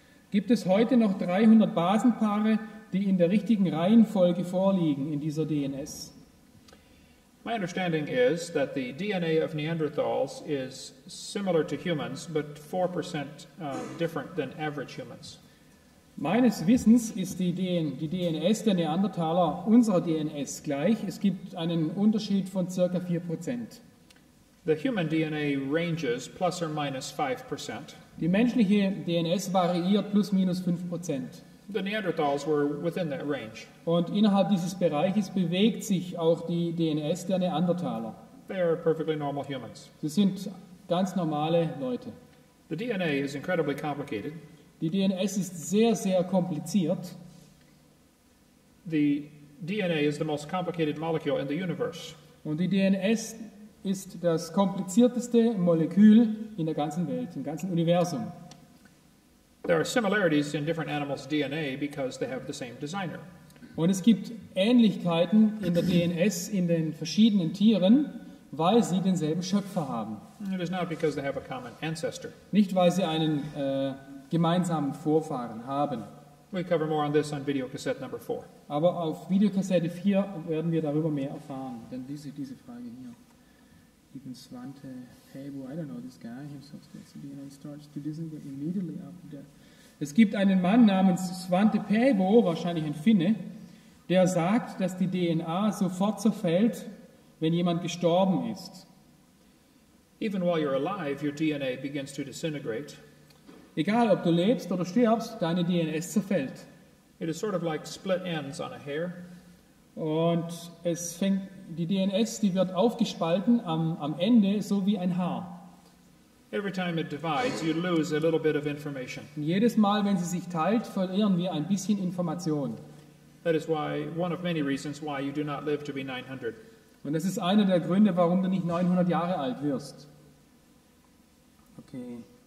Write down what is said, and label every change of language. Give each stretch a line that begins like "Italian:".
German: Gibt es heute noch 300 Basenpaare, die in der richtigen Reihenfolge vorliegen in dieser DNS?
English: My understanding is that the DNA of Neanderthals is similar to humans, but 4% different than average humans.
German: Meines Wissens ist die DNS der Neandertaler unserer DNS gleich. Es gibt einen Unterschied von ca. 4%.
English: The human DNA ranges plus or minus 5%.
German: Die menschliche DNS variiert plus minus 5%.
English: The Neanderthals were within that range.
German: Und innerhalb dieses Bereiches bewegt sich auch die DNS der Neandertaler.
English: They are perfectly normal humans.
German: Sie sind ganz normale Leute.
English: The DNA is incredibly complicated.
German: Die DNS ist sehr, sehr kompliziert.
English: The DNA is the most complicated molecule in the universe.
German: Und die DNS ist das komplizierteste Molekül in der ganzen Welt, im ganzen Universum.
English: There are similarities in different animals' DNA because they have the same designer.
German: Und es gibt Ähnlichkeiten in der DNS in den verschiedenen Tieren, weil sie denselben Schöpfer haben.
English: It is not because they have a common ancestor.
German: Nicht weil sie einen gemeinsamen Vorfahren haben.
English: We cover more on this on video cassette number 4.
German: Aber auf Videokassette 4 werden wir darüber mehr erfahren, denn diese Frage hier.
English: Even Svante Pabu, I don't know this guy, himself takes the DNA, starts to disintegrate immediately after death.
German: Es gibt einen Mann namens Svante Pabu, wahrscheinlich ein Finne, der sagt, dass die DNA sofort zerfällt, wenn jemand gestorben ist.
English: Even while you're alive, your DNA begins to disintegrate.
German: Egal, ob du lebst oder stirbst, deine DNS zerfällt.
English: It is sort of like split ends on a hair.
German: Und es fängt, die DNS, die wird aufgespalten am Ende, so wie ein Haar.
English: Every time it divides, you lose a little bit of information.
German: Und jedes Mal, wenn sie sich teilt, verlieren wir ein bisschen Information.
English: That is why, one of many reasons why you do not live to be 900.
German: Und das ist einer der Gründe, warum du nicht 900 Jahre alt wirst. Okay.